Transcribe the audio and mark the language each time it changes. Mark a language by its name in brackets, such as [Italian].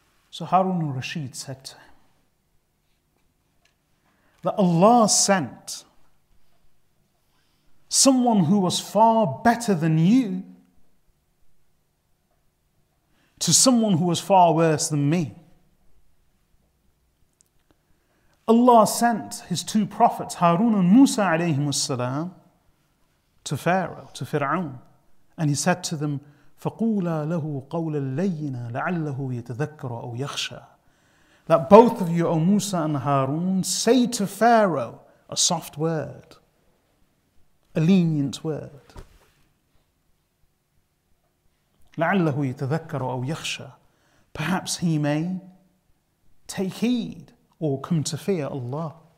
[English] So Harun al-Rashid said to him that Allah sent someone who was far better than you to someone who was far worse than me. Allah sent his two prophets, Harun and Musa alayhim as-salam, to Pharaoh, to Fir'aun. [Arabic] And he said to them, فَقُولَا لَهُ قَوْلًا لَيِّنًا لَعَلَّهُ يَتَذَكَّرُ أَوْ يَخْشَى. [English] That both of you, O Musa and Harun, say to Pharaoh a soft word, a lenient word. [Arabic] لَعَلَّهُ يَتَذَكَّرُ أَوْ يَخْشَى. [English] Perhaps he may take heed or come to fear Allah.